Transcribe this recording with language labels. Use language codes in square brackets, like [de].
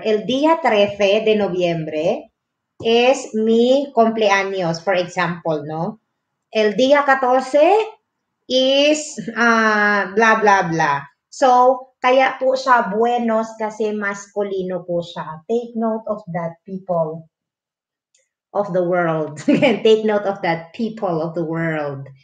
[es] El día 13 de noviembre es mi cumpleaños, [en] for example, [es] no? El día 14 is, bla, bla, bla. [tl] So, kaya po siya buenos kasi maskulino po siya. [en] Take note of that, people. Of the world. Take note of that, people of the world.